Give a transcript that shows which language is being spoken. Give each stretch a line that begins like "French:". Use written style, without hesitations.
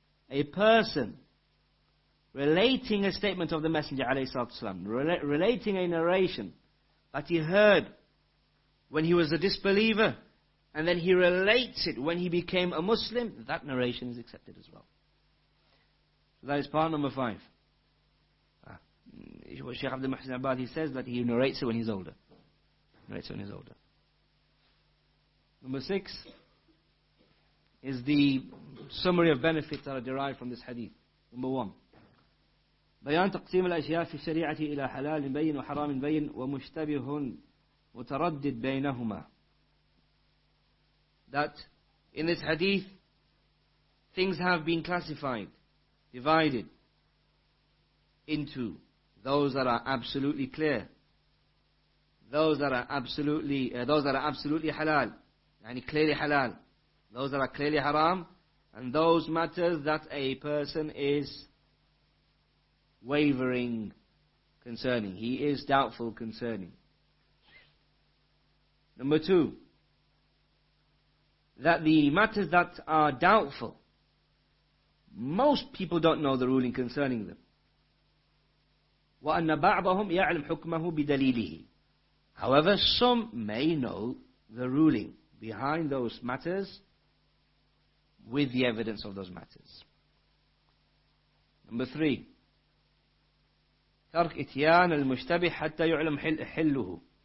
English: A person relating a statement of the Messenger alayhi salatu wasalam, relating a narration that he heard when he was a disbeliever, and then he relates it when he became a Muslim, that narration is accepted as well. So that is part number five. Shaykh Abdul Muhsin Abad, he says that he narrates it when he's older. Number six, is the summary of benefits that are derived from this hadith. Number one.
Arabic: بيان تقسيم الأشياء في الشريعة إلى حلال بين وحرام بين ومشتبه متردد بينهما.
English: That in this hadith, things have been classified, divided into those that are absolutely clear, those that are absolutely halal, يعني clearly halal, those that are clearly haram, and those matters that a person is wavering concerning. He is doubtful concerning. Number two, that the matters that are doubtful, most people don't know the ruling concerning them.
Arabic: وَأَنَّ بَعْضَهُمْ يَعْلَمْ حُكْمَهُ بِدَلِيلِهِ.
English: However, some may know the ruling behind those matters with the evidence of those matters. Number three,
Arabic: ترك إتيان المشتبه حتى يعلم حله.